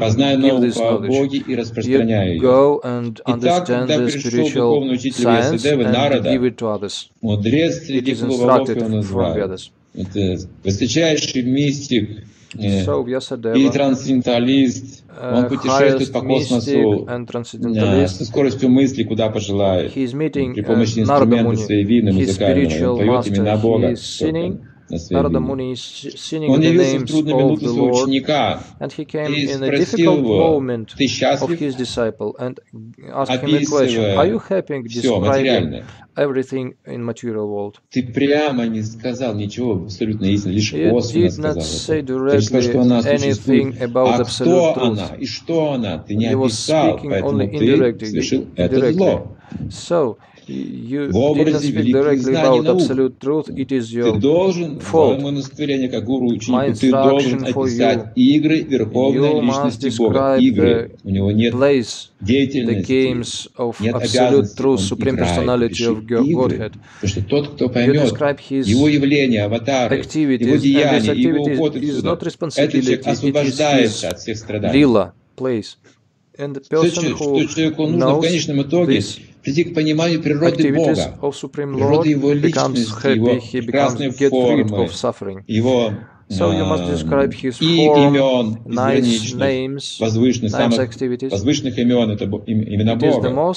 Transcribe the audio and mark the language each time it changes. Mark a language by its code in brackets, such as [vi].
[ru] Познай науку о Боге и распространяй ее. Итак, когда пришел духовный учитель Ясадевы, Нарада, мудрец среди глубоков, он узнает. Это высочайший мистик, и трансценденталист, он путешествует по космосу со скоростью мысли, куда пожелает, при помощи инструмента своей вины музыкального, он поет имена Бога. [en] Narada Muni is singing the names of the Lord, and he came in a difficult moment of his disciple and asked him a question. Are you happy describing everything in material world? You did not say directly anything about absolute truth. He was speaking only indirectly. So, you did not speak directly about absolute truth, it is your fault. My instruction for you must describe the place, the games of absolute truth, supreme personality of Godhead. You describe his activities, and his activities is not responsibility, it is his lila, place. And the person who knows this, [ru] прийти к пониманию природы Бога, природы Его личности, Его прекрасной формы, Его и имен, возвышенных, самых возвышенных имен, это имена Бога.